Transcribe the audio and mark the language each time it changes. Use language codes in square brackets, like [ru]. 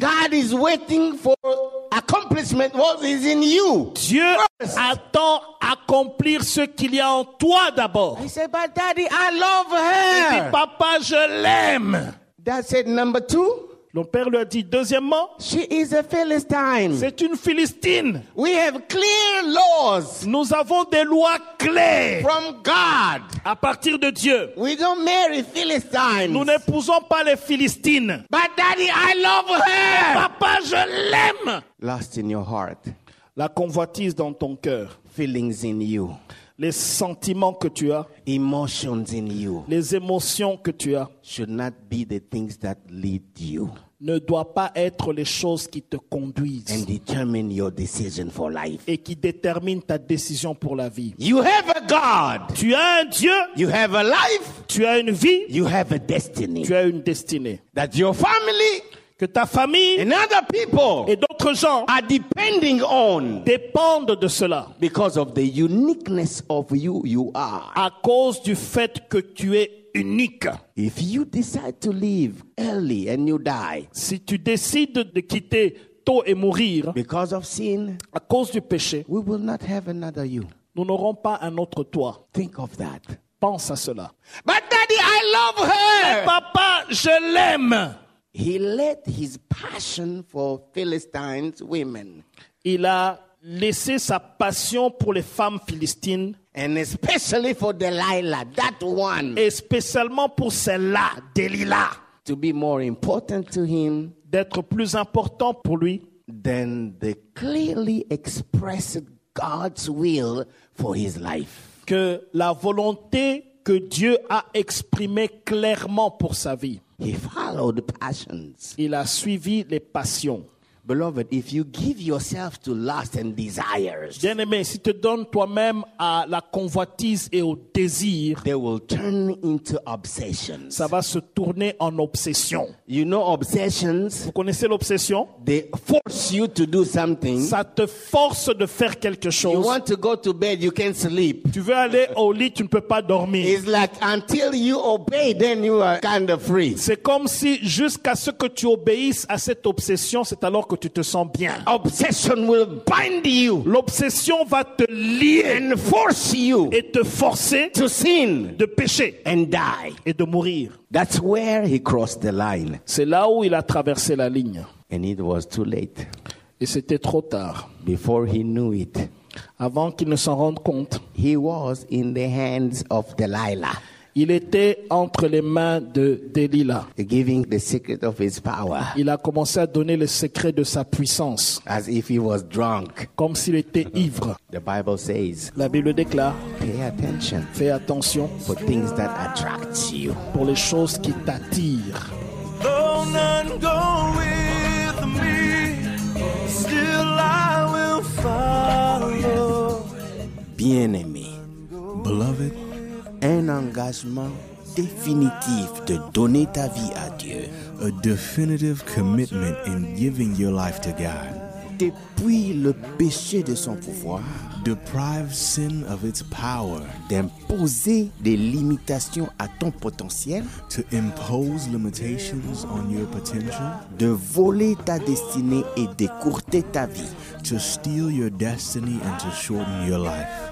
[en] God is waiting for accomplishment what is in you. [fr] Dieu [en] first. [fr] Attend accomplir ce qu'il y a en toi d'abord. [en] He said, but daddy, I love her. [fr] Il dit, papa, je l'aime. [en] Dad said, number two. [fr] Le père lui a dit, deuxièmement, [en] she is a Philistine. [fr] C'est une Philistine. [en] We have clear laws. [fr] Nous avons des lois claires. [en] From God. [fr] À partir de Dieu. [en] We don't marry Philistines. [fr] Nous n'épousons pas les Philistines. [en] But daddy, I love her. [fr] Papa, je l'aime. [en] Lust in your heart. [fr] La convoitise dans ton cœur. [en] Feelings in you. [fr] Les sentiments que tu as, [en] emotions in you, [fr] les émotions que tu as, [en] should not be the things that lead you. [fr] ne doit pas être les choses qui te conduisent [en] and determine your decision for life. [fr] Et qui déterminent ta décision pour la vie. [en] You have a God. [fr] Tu as un Dieu. [en] You have a life. [fr] Tu as une vie. [en] You have a destiny. [fr] Tu as une destinée. [en] That your family, [fr] que ta famille [en] and other people [fr] et d'autres gens [en] are depending on, [fr] dépendent de cela [en] because of the uniqueness of you, you are. [fr] À cause du fait que tu es unique. [en] If you decide to leave early and you die, [fr] si tu décides de quitter tôt et mourir, [en] because of sin, [fr] à cause du péché, [en] we will not have another you. [fr] Nous n'aurons pas un autre toi. [en] Think of that. [fr] Pense à cela. [en] But daddy, I love her. [fr] Mais papa, je l'aime. [en] He let his passion for Philistine women. [fr] Il a laissé sa passion pour les femmes philistines. [en] And especially for Delilah, that one. [fr] Et spécialement pour celle-là, Delilah. [en] To be more important to him. [fr] D'être plus important pour lui. [en] Than the clearly expressed God's will for his life. [fr] Que la volonté que Dieu a exprimée clairement pour sa vie. [en] He followed passions. [fr] Il a suivi les passions. [en] Beloved, if you give yourself to lust and desires, [fr] bien-aimé, si tu donnes toi-même à la convoitise et au désir, [en] they will turn into obsessions. [fr] Ça va se tourner en obsession. [en] You know obsessions? [fr] Vous connaissez l'obsession? [en] They force you to do something. [fr] Ça te force de faire quelque chose. [en] You want to go to bed, you can't sleep. [fr] Tu veux aller au lit, tu ne peux pas dormir. [en] It's like until you obey, then you are kind of free. [fr] C'est comme si jusqu'à ce que tu obéisses à cette obsession, c'est alors que tu te sens bien. [en] Obsession will bind you. [fr] L'obsession va te lier. [en] And force you. [fr] Et te forcer. [en] To sin. [fr] De pécher. [en] And die. [fr] Et de mourir. [en] That's where he crossed the line. [fr] C'est là où il a traversé la ligne. [en] And it was too late. [fr] Et c'était trop tard. [en] Before he knew it. [fr] Avant qu'il ne s'en rende compte. [en] He was in the hands of Delilah. [fr] Il était entre les mains de Delilah. [en] Giving the secret of his power. [fr] Il a commencé à donner le secret de sa puissance. [en] As if he was drunk. [fr] Comme s'il était ivre. [en] The Bible says, [fr] la Bible déclare, [en] pay attention. [fr] Fais attention [en] for things that attract you. [fr] Pour les choses qui t'attirent. [en] Though none go with me, still I will follow. [fr] Bien-aimé, [en] beloved, [fr] un engagement définitif de donner ta vie à Dieu. [en] A definitive commitment in giving your life to God. [fr] Dépouille le péché de son pouvoir. [en] Deprive sin of its power. [fr] D'imposer des limitations à ton potentiel. [en] To impose limitations on your potential. [fr] De voler ta destinée et d'écourter ta vie. [en] To steal your destiny and to shorten your life.